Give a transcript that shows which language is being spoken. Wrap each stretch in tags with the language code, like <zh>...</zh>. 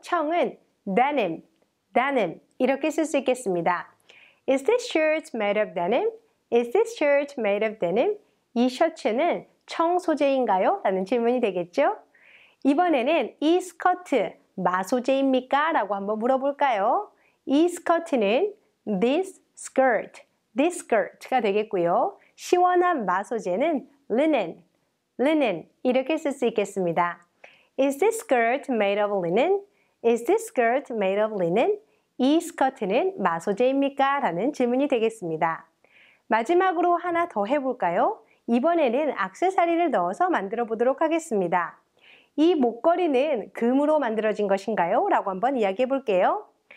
<ko>청은 denim, denim 이렇게 쓸 수 있겠습니다.</ko> <en>Is this shirt made of denim? Is this shirt made of denim?</en> <ko>이 셔츠는 청 소재인가요? 라는 질문이 되겠죠. 이번에는 이 스커트 마 소재입니까? 라고 한번 물어볼까요? 이 스커트는</ko> <en>this skirt</en> <ko>가 되겠고요. 시원한 마 소재는 linen 이렇게 쓸 수 있겠습니다.</ko> <en>Is this skirt made of linen? Is this skirt made of linen?</en> <ko>이 스커트는 마 소재입니까? 라는 질문이 되겠습니다. 마지막으로 하나 더 해볼까요? 이번에는 악세사리를 넣어서 만들어 보도록 하겠습니다. 이 목걸이는 금으로 만들어진 것인가요? 라고 한번 이야기해 볼게요.</ko>